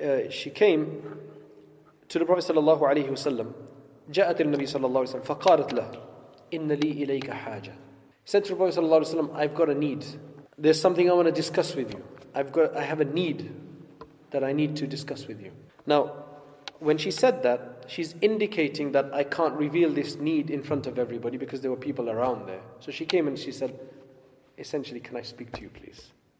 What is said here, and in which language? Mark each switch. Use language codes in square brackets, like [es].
[en] She came to the Prophet sallallahu alaihi wasallam. [ar] جاءت النبي صلى الله عليه وسلم فقالت له إن لي إليك حاجة. [en] Said to the Prophet sallallahu alaihi wasallam, I've got a need. There's something I want to discuss with you. I have a need that I need to discuss with you. Now, when she said that, she's indicating that I can't reveal this need in front of everybody because there were people around there. So she came and she said, essentially, can I speak to you, please?